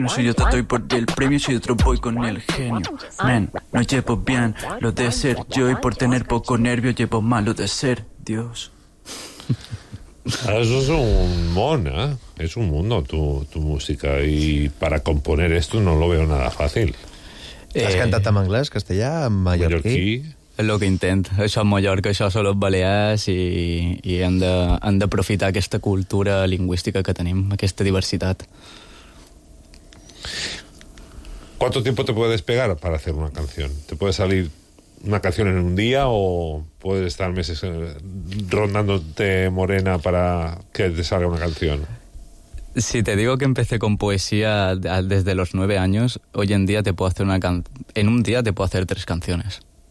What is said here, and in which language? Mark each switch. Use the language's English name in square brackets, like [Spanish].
[Spanish] No soy yo, te doy por el premio, soy otro boy con el genio. Man, no llevo bien lo de ser yo y por tener poco nervio llevo mal lo de ser Dios. Eso es un mon, ¿eh? Es un mundo tu música. Y para componer esto no lo veo nada fácil. ¿Has cantado en inglés, castellà, en mallorquí? [Catalan] És el que intento. Això en Mallorca, això són els balears i hem d'aprofitar aquesta cultura lingüística que tenim, aquesta diversitat. [Spanish] ¿Cuánto tiempo te puedes pegar para hacer una canción? ¿Te puede salir una canción en un día o puedes estar meses rondándote morena para que te salga una canción? Si te digo que empecé con poesía desde los 9 años, hoy en día te puedo hacer en un día te puedo hacer 3 canciones.